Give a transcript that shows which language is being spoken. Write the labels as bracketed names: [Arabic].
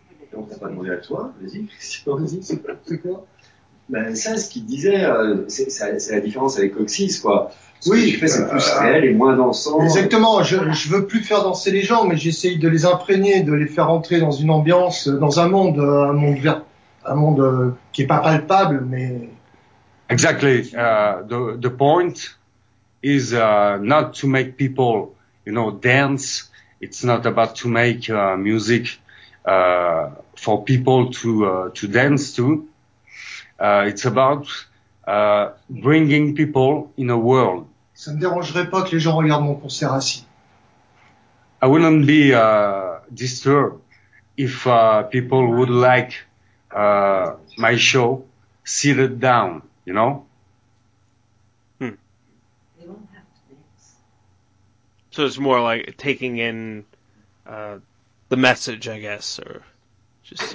[French] Donc t'as pas demandé à toi, vas-y, Christian, vas-y, c'est quoi? Ben ça, ce qu'il disait, c'est la différence avec Oxys, quoi. Ce oui, que tu fais, c'est plus réel et moins dansant. Exactement, je veux plus faire danser les gens, mais j'essaye de les imprégner, de les faire entrer dans une ambiance, dans un monde qui est pas palpable, mais... [English] Exactly. The point is not to make people, you know, dance. It's not about to make music for people to dance to. It's about bringing people in a world. [French] Ça me dérangerait pas que les gens regardent mon concert assis. [English] I wouldn't be disturbed if people would like my show seated down. You know? They won't have to dance. So it's more like taking in the message, I guess, or just